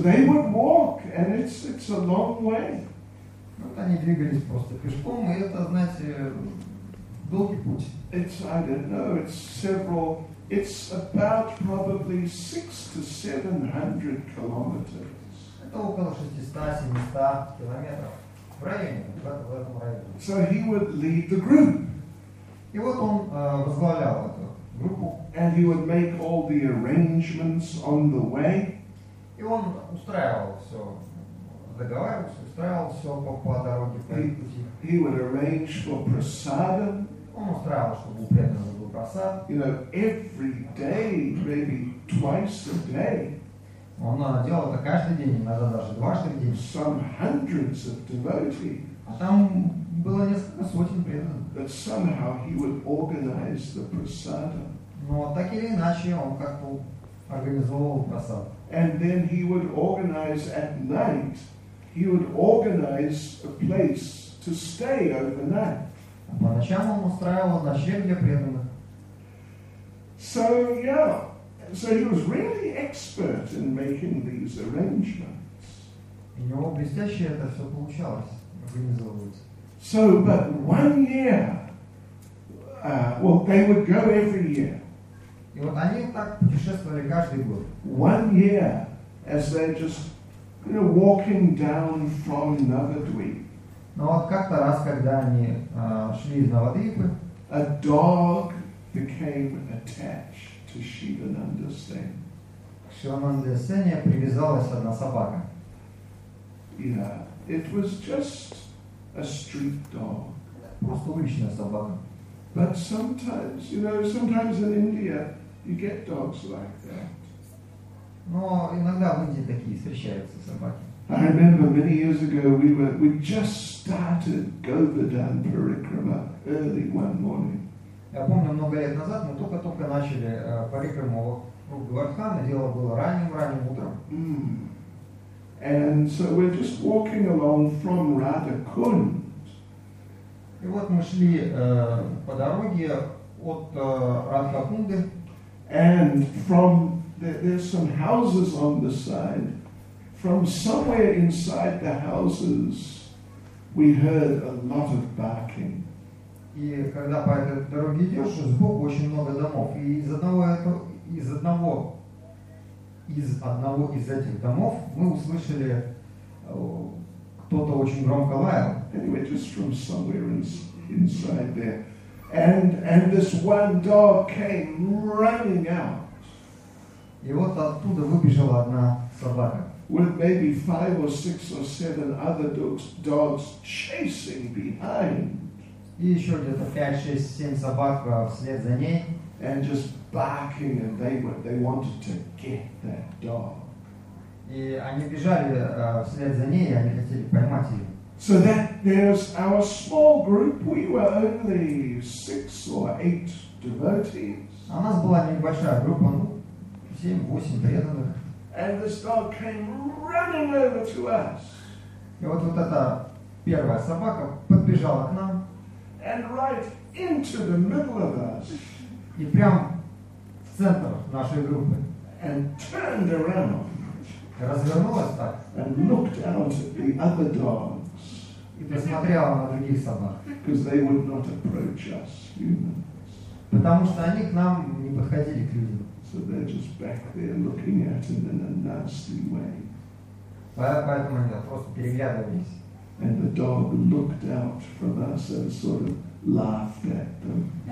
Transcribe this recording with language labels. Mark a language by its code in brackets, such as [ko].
[en] So they would walk, and it's a long way. [ru] Вот они двигались просто пешком, и это, знаете, долгий путь. [en] It's, I don't know, it's several, it's about probably 600 to 700 kilometers. [ru] Это около 600-700 километров в районе, в этом районе. [en] So he would lead the group. [ru] И вот он возглавлял эту группу. [en] And he would make all the arrangements on the way. [ru] И он устраивал все, договаривался, устраивал все по дороге, по пути. [en] He would arrange for prasadam. [ru] Он устраивал, чтобы у преданного был просад. [en] You know, every day, maybe twice a day. [ru] Он делал это каждый день, иногда даже дважды в день. [en] Some hundreds of devotees. [ru] А там было несколько сотен преданных. [en] But somehow he would organize the prasadam. [ru] Но так или иначе он как-то организовал просад. [en] And then he would organize at night. He would organize a place to stay overnight. [ru] По ночам он устраивал ночлеги преданных. [en] So yeah, so he was really expert in making these arrangements. [ru] У него блестяще это все получалось организовывать. [en] So, but one year, well, they would go every year. [ru] И вот они так путешествовали каждый год. [en] One year, as they're just, you know, walking down from Navadvip. [ru] Но вот как-то раз, когда они шли из Навадвипы, [en] a dog became attached to Шивананда Сен. [ru] К Шивананде Сене привязалась одна собака. [en] Yeah, it was just a street dog. [ru] Просто уличная собака. [en] But sometimes, you know, sometimes in India you get dogs like that. [ru] Но иногда в Индии такие встречаются собаки. [en] I remember many years ago we just started Govardhan Parikrama early one morning. [ru] Я помню, много лет назад мы только-только начали парикраму вокруг Говардхана, дело было ранним-ранним утром. [en] And so we're just walking along from Radhakund. [ru] И вот мы шли по дороге от Радхакунды. [en] And from there's some houses on the side. From somewhere inside the houses, we heard a lot of barking. [ru] И когда по этой дороге идешь, сбоку очень много домов. И из одного из этих домов мы услышали, кто-то очень громко лаял. [en] Anyway, just from somewhere inside there, and this one dog came running out. [ru] И вот оттуда выбежала одна собака. [en] With maybe 5 or 6 or 7 other dogs chasing behind. [ru] И еще где-то 5, 6, 7 собак вслед за ней. [en] And just barking, and they wanted to get that dog. [ru] И они бежали вслед за ней, и они хотели поймать ее. [en] So that there's our small group. We were only 6 or 8 devotees. [ru] А у нас была небольшая группа, 7-8 преданных. [en] And this dog came running over to us. [ru] И вот вот эта первая собака подбежала к нам. [en] And right into the middle of us. [ru] И прям в центр нашей группы. [en] And turned around. [ru] Развернулась так. [en] And looked out at the other dogs. [ru] И посмотрела на других собак. [en] Because they would not approach us, humans. [ru] Потому что они к нам не подходили, к людям. [en] So they're just back there looking at him in a nasty way. [ru] Поэтому они просто переглядывались. [en] And the dog looked out from us and sort of laughed at them.